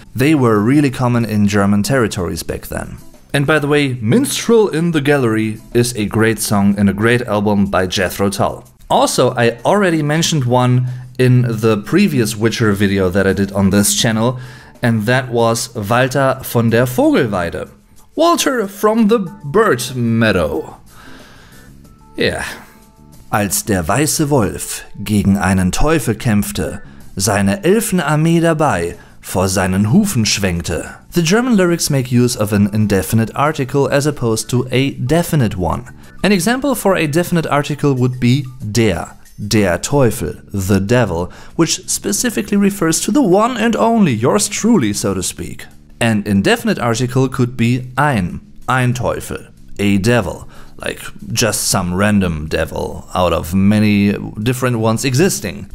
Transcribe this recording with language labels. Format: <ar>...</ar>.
<en>They were really common in German territories back then. And by the way, Minstrel in the Gallery is a great song and a great album by Jethro Tull. Also, I already mentioned one in the previous Witcher video that I did on this channel, and that was Walter von der Vogelweide. Walter from the Bird Meadow. Yeah.</en> <de>Als der weiße Wolf gegen einen Teufel kämpfte, seine Elfenarmee dabei vor seinen Hufen schwenkte.</de> <en>The German lyrics make use of an indefinite article as opposed to a definite one. An example for a definite article would be der.</en> <de>Der Teufel,</de> <en>the devil, which specifically refers to the one and only, yours truly, so to speak. An indefinite article could be</en> <de>ein Teufel,</de> <en>a devil, like just some random devil out of many different ones existing.</en>